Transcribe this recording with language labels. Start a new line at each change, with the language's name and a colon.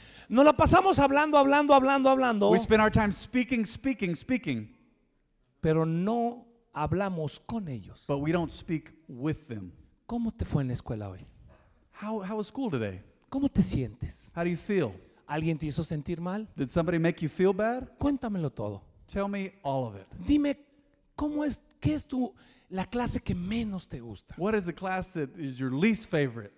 Spanish: Nos la pasamos hablando, hablando, hablando, hablando.
English: We spend our time speaking, speaking, speaking.
Spanish: Pero no hablamos con ellos.
English: But we don't speak with them.
Spanish: ¿Cómo te fue en la escuela hoy?
English: How was school today?
Spanish: ¿Cómo te sientes?
English: How do you feel?
Spanish: ¿Alguien te hizo sentir mal?
English: Did somebody make you feel bad?
Spanish: Cuéntamelo todo.
English: Tell me all of it.
Spanish: Dime, ¿cómo es, qué es tu, la clase que menos te gusta?
English: What is the class that is your least favorite?